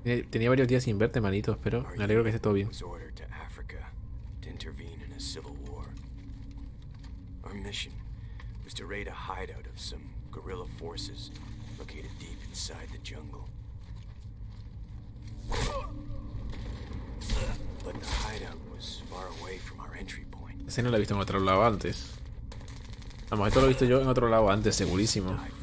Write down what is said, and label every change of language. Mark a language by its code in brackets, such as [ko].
[es] Tenía varios días sin verte, manito, pero me alegro que esté todo bien. [en] Was ordered to Africa to intervene in a civil war. Our mission was to raid a hideout of some guerrilla forces located deep inside the jungle. But the hideout was far away from our entry point. [es] Ese no lo he visto en otro lado antes. Vamos, esto lo he visto yo en otro lado antes, segurísimo.